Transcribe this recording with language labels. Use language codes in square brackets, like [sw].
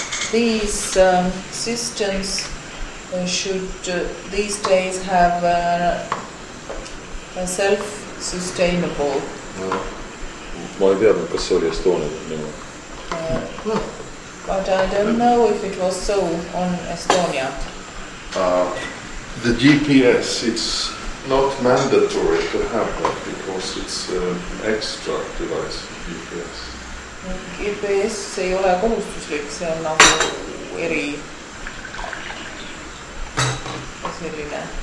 [en] These systems should these days have a self-sustainable. [et] Ma ei tea, kas see oli Estonia nimelt. [en] But I don't know if it was so on Estonia. The GPS, it's not mandatory to have that because it's an extra device, GPS. [et] GPS ei ole kohustuslik, see on nagu eri selline.